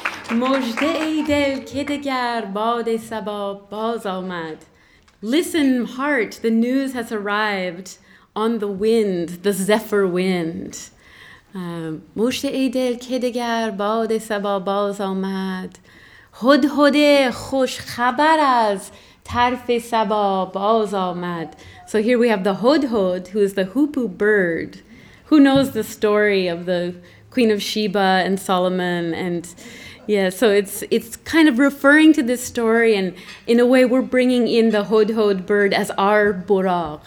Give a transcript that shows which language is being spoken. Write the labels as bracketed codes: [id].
[fa] مژده ای دل که دگر باد سبا باز آمد. [en] Listen, heart, the news has arrived on the wind, the zephyr wind. [fa] مژده ای دل که دگر باد سبا باز آمد. هد هد خوش خبر از طرف سبا باز آمد. [en] So here we have the hodhod, who is the hoopoe bird. Who knows the story of the Queen of Sheba and Solomon? And yeah, so it's kind of referring to this story, and in a way we're bringing in the hodhod bird as our buraq.